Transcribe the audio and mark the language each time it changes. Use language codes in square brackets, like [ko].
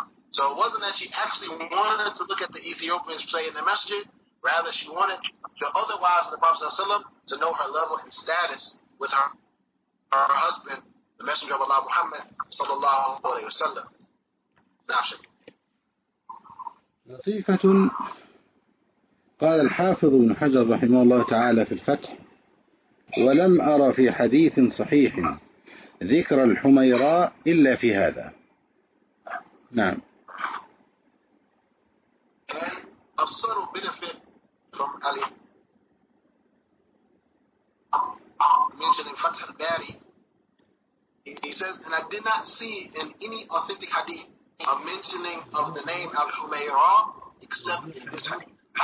[en] So it wasn't that she actually wanted to look at the Ethiopians play in the masjid. Rather, she wanted the other wives of the Prophet sallallahu alaihi wasallam to know her level and status with her husband, the Messenger of Allah, Muhammad, sallallahu alaihi wasallam. Nashik. Latifatun. [ar] قال الحافظ ابن حجر رحمه الله تعالى في الفتح: ولم أرى في حديث صحيح ذكر الحميراء إلا في هذا. نعم. أبصروا بنفيد [en] from Ali mentioning Fath al-Bari. He says, and I did not see in any authentic hadith a mentioning of the name Al-Humairah except in this hadith.